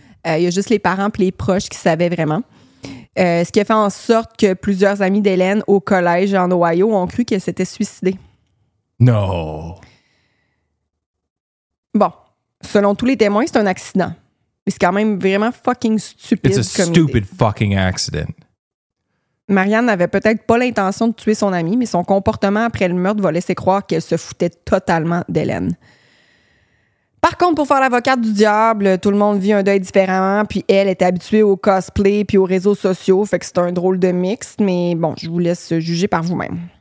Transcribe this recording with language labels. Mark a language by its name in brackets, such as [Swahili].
[French] Il y a juste les parents et les proches qui savaient vraiment. Ce qui a fait en sorte que plusieurs amis d'Hélène au collège en Ohio ont cru qu'elle s'était suicidée. Non! Bon, selon tous les témoins, c'est un accident. Mais c'est quand même vraiment fucking stupide. [English] It's a stupid fucking accident. [French] Marianne n'avait peut-être pas l'intention de tuer son amie, mais son comportement après le meurtre va laisser croire qu'elle se foutait totalement d'Hélène. Par contre, pour faire l'avocate du diable, tout le monde vit un deuil différemment, puis elle est habituée au cosplay puis aux réseaux sociaux, fait que c'est un drôle de mix, mais bon, je vous laisse juger par vous-même.